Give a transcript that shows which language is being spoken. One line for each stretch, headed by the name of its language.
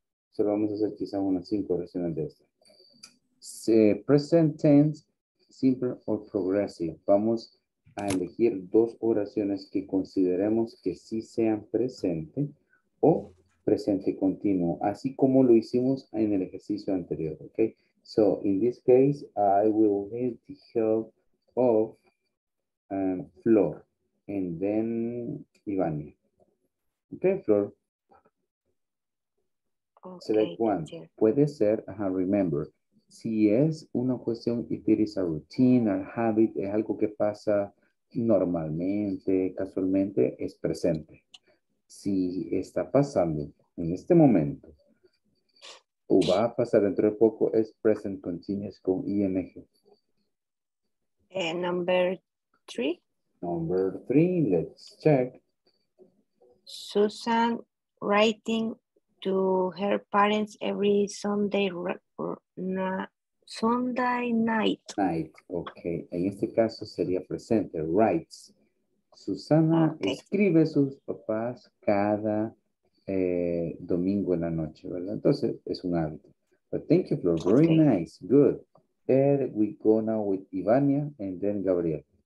Spanish: Solo vamos a hacer quizá unas 5 oraciones de esta.
English: Present tense, simple or progressive.
Spanish: Vamos a elegir 2 oraciones que consideremos que sí sean presente o presente continuo, así como lo hicimos en el ejercicio anterior.
English: Okay. So, in this case, I will need the help of Flor. and then Ivania. Okay, Flor. Okay, select one.
Spanish: Puede ser, remember, si es una cuestión,
English: if it is a routine, a habit,
Spanish: es algo que pasa normalmente, casualmente, es presente. Si está pasando en este momento, o va a pasar dentro de poco, es present continuous con ing.
English: Number three, let's check. Susan writing to her parents every Sunday night. Night, okay.
Spanish: En este caso sería presente, writes. Susana escribe a sus papás cada domingo en la noche, ¿verdad? Entonces, es un hábito.
English: But thank you, Flor. Very nice. Good. And we go now with Ivania and then Gabriel.